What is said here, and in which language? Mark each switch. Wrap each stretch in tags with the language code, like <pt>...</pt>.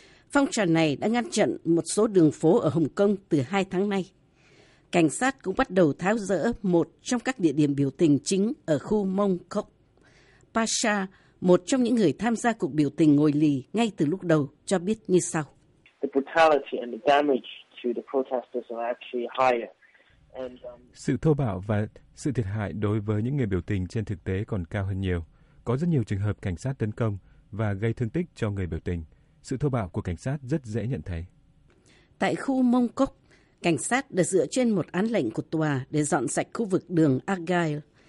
<vi>Phong trào này đã ngăn chặn một số đường phố ở Hồng Kông từ 2 tháng nay. Cảnh sát cũng bắt đầu tháo dỡ một trong các địa điểm biểu tình chính ở khu Mong Kok. Pasha, một trong những người tham gia cuộc biểu tình ngồi lì ngay từ lúc đầu, cho biết như sau.</vi> <en>The brutality and the damage to the protesters are actually higher.</en> <vi>Sự thô bạo và sự thiệt hại đối với những người biểu tình trên thực tế còn cao hơn nhiều. Có rất nhiều trường hợp cảnh sát tấn công và gây thương tích cho người biểu tình. Sự thô bạo của cảnh sát rất dễ nhận thấy. Tại khu Mong Kok, cảnh sát đã dựa trên một án lệnh của tòa để dọn sạch khu vực đường Argyle.</vi>